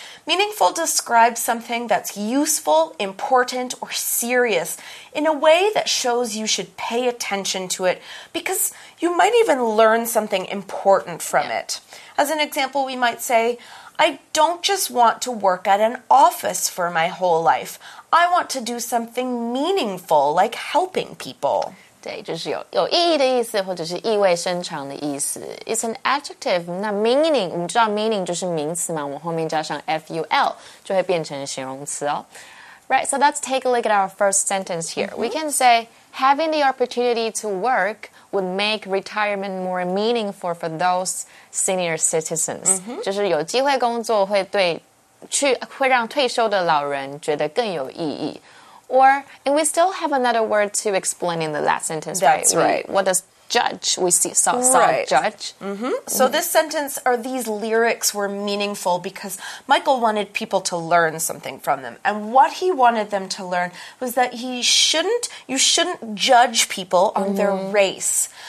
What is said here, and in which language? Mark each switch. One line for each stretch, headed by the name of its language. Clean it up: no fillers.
English: Meaningful describes something that's useful, important, or serious in a way that shows you should pay attention to it because you might even learn something important from it. As an example, we might say, "I don't just want to work at an office for my whole life. I want to do something meaningful, like helping people."
Chinese: 对，就是有意义的意思，或者是意味深长的意思。
English: It's an adjective.
Chinese: 那 meaning, 我们知道 meaning 就是名词嘛，我们后面加上 ful 就会变成形容词哦。
English: Right, so let's take a look at our first sentence here. We can say, "Having the opportunity to work would make retirement more meaningful for those senior citizens."
Chinese: 就是有机会工作会让退休的老人觉得更有意义。
English: Or, and we still have another word to explain in the last sentence, That's right? That's right. What does judge, we see, saw judge. So this sentence, or these lyrics were meaningful because Michael wanted people to learn something from them. And what he wanted them to learn was that you shouldn't judge people on their race.